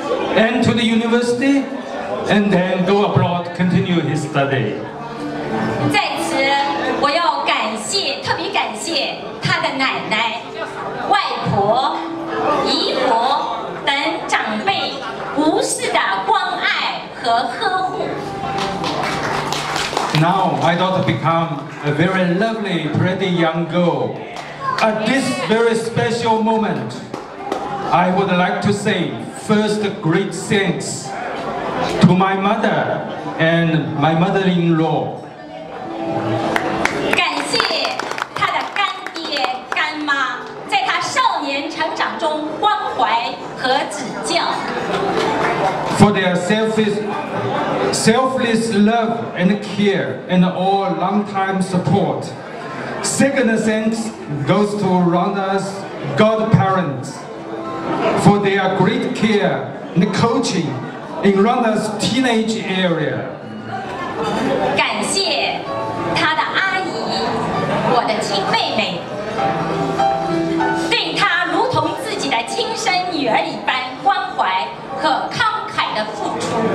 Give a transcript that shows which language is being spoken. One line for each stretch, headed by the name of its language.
English: And to the university, and then go abroad, continue his study.
Chinese: 在此，我要感谢，特别感谢他的奶奶、外婆、姨婆等长辈无私的关爱和呵护。
English: Now my daughter become a very lovely, pretty young girl. At this very special moment, I would like to say. First, great thanks to my mother and my mother-in-law.
Chinese: 感谢她的干爹干妈在她少年成长中关怀和指教。
English: For their selfless love and care and all long-time support. Second thanks goes to Rhonda's godparents. For their great care and coaching in Rhonda's teenage area.
Chinese: 感谢她的阿姨，我的亲妹妹，对她如同自己的亲生女儿一般关怀和慷慨的付出。